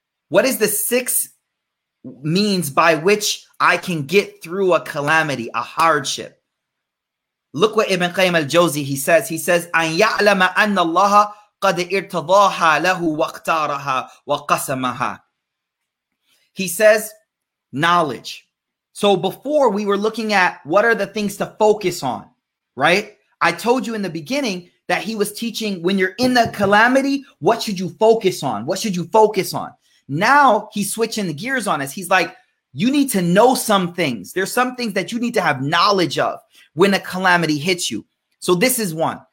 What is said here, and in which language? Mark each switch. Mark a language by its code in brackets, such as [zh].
[en] What is the six means by which I can get through a calamity, a hardship? Look what Ibn Qayyim al-Jawzi, he says. He says, [ar] أَنْ يَعْلَمَ أَنَّ اللَّهَ قَدْ إِرْتَضَاهَا لَهُ وَاقْتَارَهَا وَقَسَمَهَا. [en] He says, knowledge. So before we were looking at what are the things to focus on, right? I told you in the beginning that he was teaching when you're in the calamity, what should you focus on? What should you focus on? Now he's switching the gears on us. He's like, you need to know some things. There's some things that you need to have knowledge of when a calamity hits you. So this is one.